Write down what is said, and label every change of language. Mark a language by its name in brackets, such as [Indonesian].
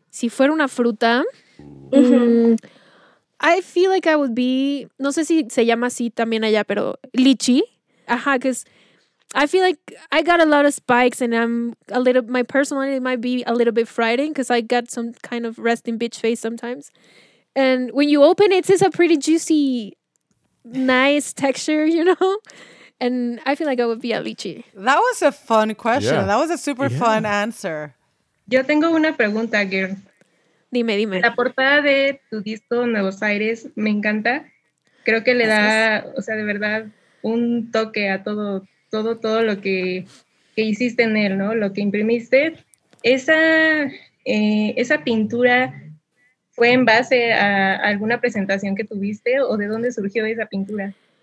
[Spanish] Si fuera una fruta, [English] I feel like I would be, [Spanish] no sé si se llama así también allá, pero lichi. [English] Ajá, because I feel like I got a lot of spikes and I'm a little, my personality might be a little bit frightening because I got some kind of resting bitch face sometimes. And when you open it, it's a pretty juicy nice texture, you know? And I feel like I would be Avicii. That was a fun question. Yeah. That was a super fun answer. [Spanish] Yo tengo una pregunta, girl. Dime, dime. La portada de tu disco Nuevos Aires me encanta. Creo que le da, o sea, de verdad, un toque a todo lo que hiciste en él, ¿no? Lo que imprimiste. ¿Esa pintura fue en base a alguna presentación que tuviste o de dónde surgió esa pintura?